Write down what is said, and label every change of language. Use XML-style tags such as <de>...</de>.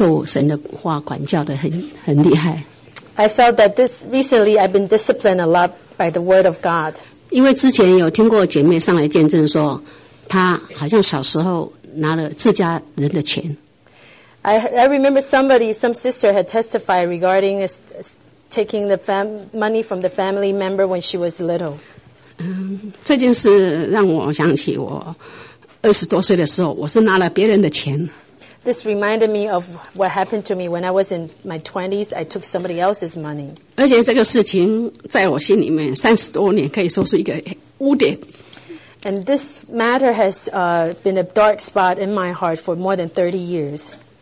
<zh>我觉得我最近真的是受神的话管教的很厉害。</zh> <en>I felt that this recently I've been disciplined a lot by the word of God.</en> <zh>因为之前有听过姐妹上来见证说，她好像小时候拿了自家人的钱。</zh> <en>I remember somebody, some sister had testified regarding this, taking the money from the family member when she was little.</en> <zh>这件事让我想起我二十多岁的时候，我是拿了别人的钱。</zh> <en>This reminded me of what happened to me when I was in my 20s. I took somebody else's money.</en> <zh>而且这个事情在我心里面30多年可以说是一个污点。</zh> <en>And this matter has been a dark spot in my heart for more than 30 years.</en>